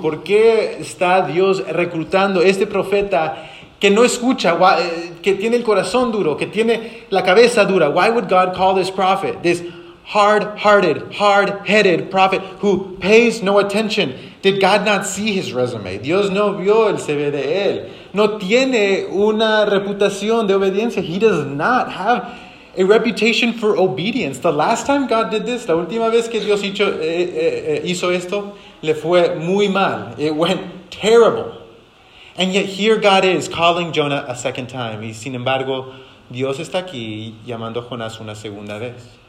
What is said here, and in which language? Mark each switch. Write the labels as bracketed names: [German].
[Spanish] ¿Por qué está Dios reclutando este profeta que no escucha, que tiene el corazón duro, que tiene la cabeza dura? [English] Why would God call this prophet, this hard-hearted, hard-headed prophet who pays no attention? Did God not see his resume? [Spanish] Dios no vio el CV de él. No tiene una reputación de obediencia. [English] He does not have a reputation for obedience. The last time God did this, [Spanish] la última vez que Dios hizo esto, le fue muy mal. [English] It went terrible. And yet here God is calling Jonah a second time. [Spanish] Y sin embargo, Dios está aquí llamando a Jonás una segunda vez.